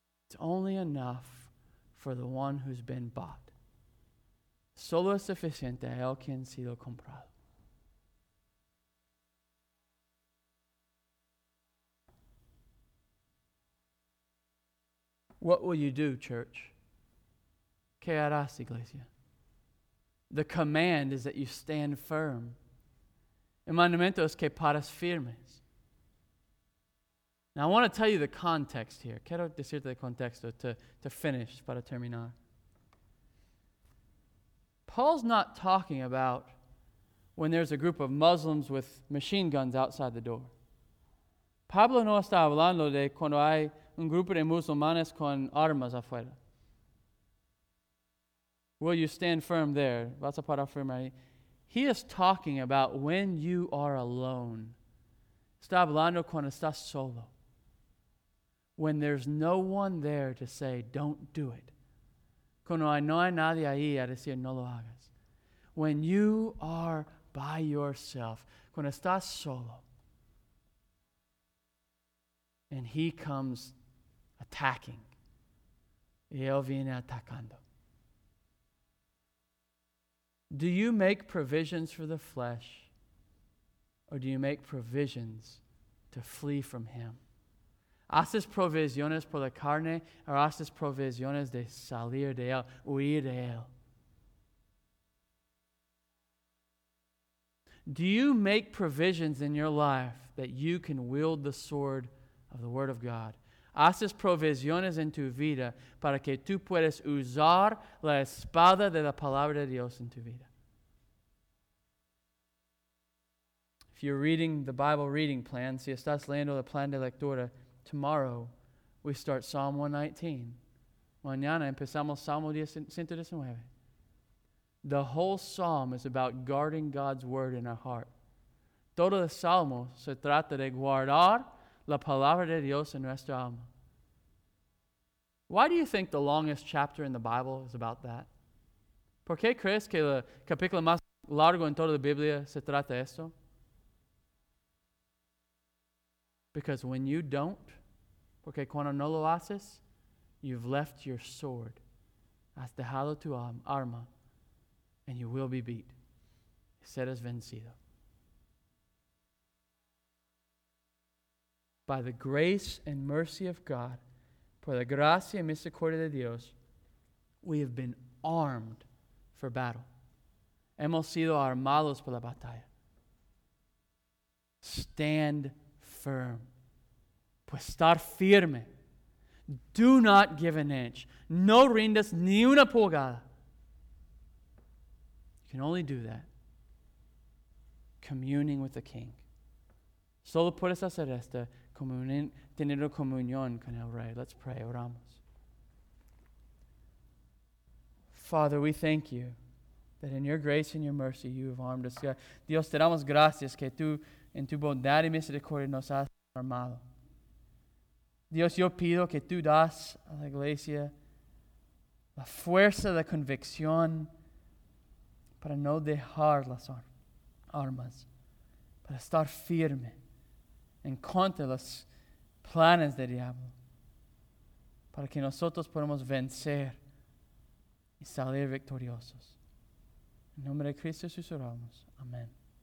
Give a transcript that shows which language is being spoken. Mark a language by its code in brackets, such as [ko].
[en] It's only enough for the one who's been bought. [es] Solo es suficiente a el que ha sido comprado. [en] What will you do, church? [es] ¿Qué harás, iglesia? [en] The command is that you stand firm. [es] El mandamiento es que paras firmes. [en] Now, I want to tell you the context here. [es] Quiero decirte el contexto [en] to finish, [es] para terminar. [en] Paul's not talking about when there's a group of Muslims with machine guns outside the door. [es] Pablo no está hablando de cuando hay un grupo de musulmanes con armas afuera. [en] Will you stand firm there? [es] Vas a parar firme ahí. [en] He is talking about when you are alone. [es] Está hablando cuando estás solo. [en] When there's no one there to say, don't do it. [es] Cuando no hay nadie ahí a decir, no lo hagas. [en] When you are by yourself, [es] cuando estás solo, [en] and he comes attacking, [es] y él viene atacando. [en] Do you make provisions for the flesh, or do you make provisions to flee from him? [es] ¿Haces provisiones por la carne o haces provisiones de salir de él, huir de él? [en] Do you make provisions in your life that you can wield the sword of the Word of God? [es] ¿Haces provisiones en tu vida para que tú puedas usar la espada de la Palabra de Dios en tu vida? [en] If you're reading the Bible reading plan, [es] si estás leyendo el plan de lectura, [en] tomorrow, we start Psalm 119. [es] Mañana empezamos Salmo 119. [en] The whole psalm is about guarding God's word in our heart. [es] Todo el salmo se trata de guardar la palabra de Dios en nuestra alma. [en] Why do you think the longest chapter in the Bible is about that? [es] ¿Por qué crees que el capítulo más largo en toda la Biblia se trata de esto? [en] Because when you don't, [es] porque cuando no lo haces, [en] you've left your sword. [es] Has dejado tu arma, [en] and you will be beat. [es] Serás vencido. [en] by the grace and mercy of God, [es] por la gracia y misericordia de Dios, [en] we have been armed for battle. [es] Hemos sido armados por la batalla. [en] Stand firm. [es] Pues estar firme. [en] Do not give an inch. [es] No rindas ni una pulgada. [en] You can only do that communing with the King. [es] Solo puedes hacer esto teniendo comunión con el Rey. [en] Let's pray. [es] Oramos. [en] Father, we thank you that in your grace and your mercy you have armed us. [es] Dios, te damos gracias que tú en tu bondad y misericordia nos has armado. Dios, yo pido que tú das a la iglesia la fuerza de convicción para no dejar las armas, para estar firme en contra de los planes del diablo, para que nosotros podamos vencer y salir victoriosos. En nombre de Cristo Jesús oramos. Amén.